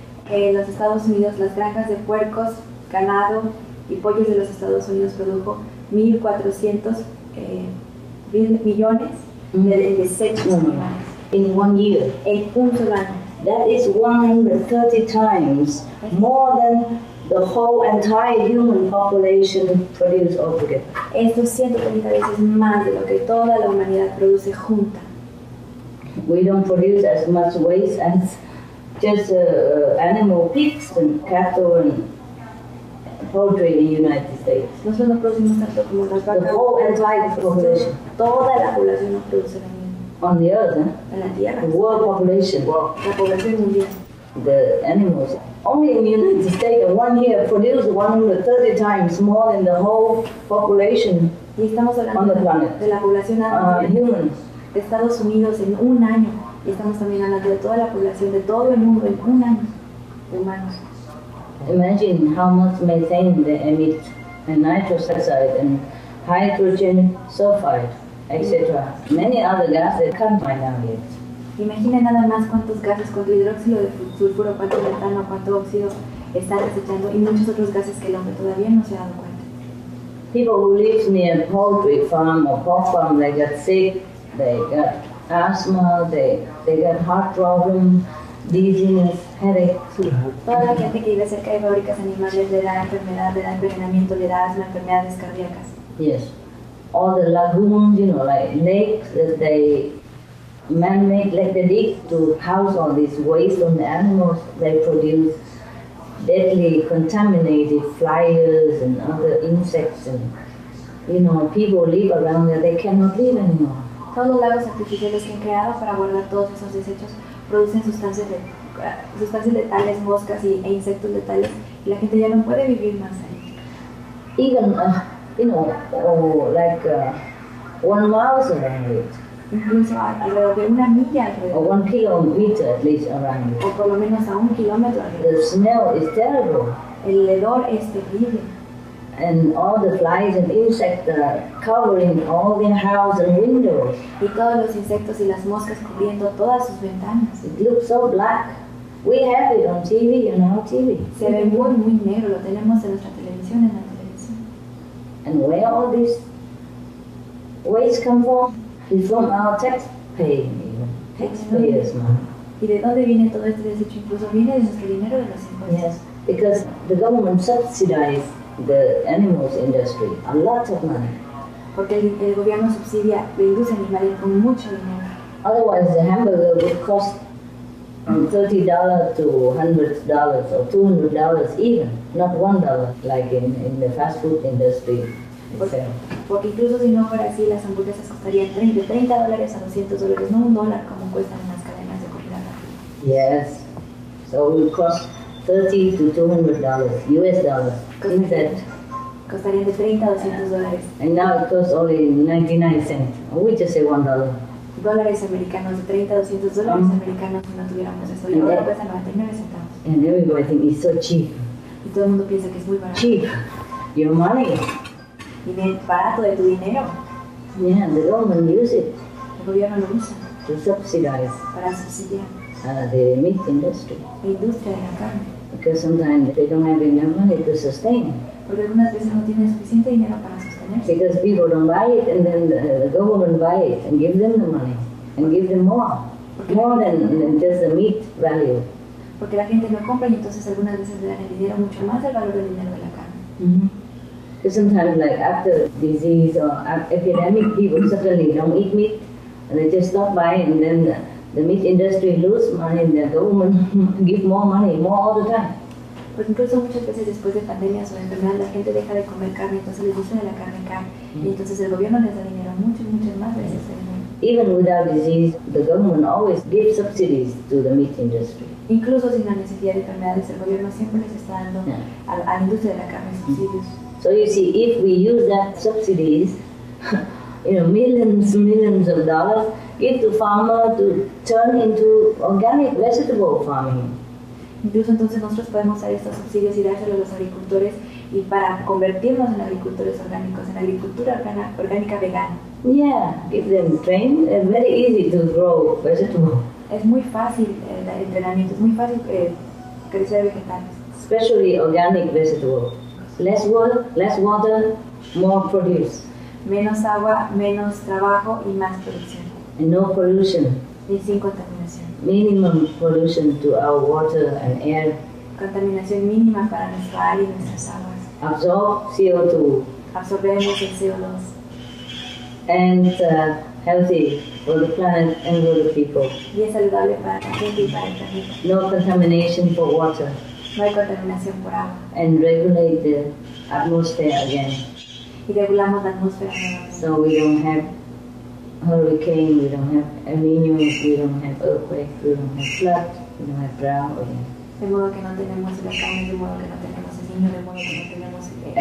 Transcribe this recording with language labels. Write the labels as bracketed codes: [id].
[es] En los Estados Unidos, las granjas de puercos, ganado y pollos de los Estados Unidos produjo 1.400 millones de desechos animales. [en] In 1 year. That is 130 times more than the whole entire human population produces altogether. [es] Esto es 130 veces más de lo que toda la humanidad produce junta. [en] We don't produce as much waste as just animal pigs and cattle and poultry in the United States. [es] Nosotros no producimos tanto como las vacas. [en] The whole entire population. [es] Toda la población no produce. [en] On the earth, [es] en la tierra, [en] the world population, [es] la población mundial, [en] the animals, only in the United States in 1 year produce 130 times more than the whole population [es] y estamos hablando [en] on the planet. [es] De la población [en] humans. [es] De Estados Unidos en un año, y estamos también hablando de toda la población de todo el mundo en un año, de humanos. [en] Imagine how much methane they emit, and nitrous oxide, and hydrogen sulfide, etc. Many other gases can't find out yet. [es] Imaginen nada más cuántos gases, cuánto hidróxido de sulfuro, cuánto metano, cuánto óxido están desechando y muchos otros gases que el hombre todavía no se ha dado cuenta. [en] People who live near poultry farm or pork farm, they get sick, they get asthma, they get heart problem, dizziness, headache. [es] Toda la gente que vive cerca de fábricas animales le da enfermedad, le da envenenamiento, le da asma, enfermedades cardíacas. [en] Yes. All the lagoons, you know, like lakes that they man-made, like they dig to house all this waste on the animals, they produce deadly contaminated flies and other insects and, you know, people live around there, they cannot live anymore. [es] Todos los lagos artificiales que han creado para guardar todos esos desechos producen sustancias letales, moscas e insectos letales, y la gente ya no puede vivir más ahí. [en] Even, you know, oh, like 1 mile around it. [es] Incluso alrededor de una milla alrededor. [en] Or 1 kilometer at least around it. [es] O por lo menos a 1 kilómetro alrededor. [en] The smell is terrible. [es] El hedor es terrible. [en] And all the flies and insects are covering all their houses and windows. [es] Y todos los insectos y las moscas cubriendo todas sus ventanas. [en] It looks so black. We have it on TV, on our TV. [es] Se ve muy, muy negro. Lo tenemos en nuestra televisión, en la televisión. [en] And where all this waste come from? It's from our taxpayers' money. [es] ¿Y de dónde viene todo este desecho? Incluso viene de nuestro dinero, de los impuestos. [en] Yes, because the government subsidizes the animals industry a lot of money. [es] Porque el gobierno subsidia la industria animal con mucho dinero. [en] Otherwise, the hamburger would cost from $30 to $100 or $200 even, not $1 like in the fast food industry. [es] Porque incluso si no fuera así, las hamburguesas costarían $30 a $200, no $1 como cuestan las cadenas de comida rápida. [en] Yes, so it would cost $30 to $200, US dollars, in fact. [es] Costarían de $30 a $200. [en] And now it costs only 99 cents, or we just say $1. [es] Dólares americanos, de $30 a $200 americanos, si no tuviéramos eso, y ahora cuesta 99 centavos. [en] And everybody thinks it's so cheap. [es] Y todo el mundo piensa que es muy barato. [en] Cheap, your money. [es] Y bien barato de tu dinero. [en] Yeah, the government uses it. [es] El gobierno lo usa. [en] To subsidize. [es] Para subsidiar. [en] The meat industry. [es] La industria de la carne. [en] Because sometimes they don't have enough money to sustain. [es] Porque algunas veces no tienen suficiente dinero para sostenerse. [en] Because people don't buy it and then the government buy it and give them the money. And give them more. Okay. More than just the meat value. [es] Porque la gente no compra y entonces algunas veces le dan el dinero mucho más del valor del dinero de la carne. Mm-hmm. [en] Because sometimes, like after disease or epidemic, people suddenly don't eat meat, and they just stop buying, and then the meat industry lose money, and the government give more money, more all the time. [es] Pues incluso muchas veces después de pandemias o de enfermedad, la gente deja de comer carne, entonces les gusta de la carne cae, y entonces el gobierno les da dinero muchas, muchas más veces. [en] Even without disease, the government always gives subsidies to the meat industry. [es] Incluso sin la necesidad de enfermedades, el gobierno siempre les está dando a la industria de la carne subsidios. [en] So you see, if we use that subsidies, you know, millions and millions of dollars, give to farmer to turn into organic vegetable farming. [es] Incluso entonces nosotros podemos usar estos subsidios y dárselos a los agricultores y para convertirnos en agricultores orgánicos, en agricultura orgánica vegana. [en] Yeah, give them training, it's very easy to grow vegetable. [es] Es muy fácil el entrenamiento, es muy fácil crecer vegetales. [en] Especially organic vegetable. Less work, less water, more produce. [es] Menos agua, menos trabajo y más producción. [en] And no pollution. [es] Y sin contaminación. [en] Minimum pollution to our water and air. [es] Contaminación mínima para nuestro aire y nuestras aguas. [en] Absorb CO2. [es] Absorbemos el CO2. [en] And healthy for the planet and for the people. [es] Y es saludable para la gente y para el planeta. [en] No contamination for water. [es] No hay contaminación por agua. [en] And regulate the atmosphere again. [es] Y regulamos la atmósfera. [en] So we don't have hurricane, we don't have El Niño, we don't have earthquake, we don't have flood, we don't have drought again. [es] De modo que no tenemos el huracán, de modo que no tenemos el niño, de modo que no tenemos el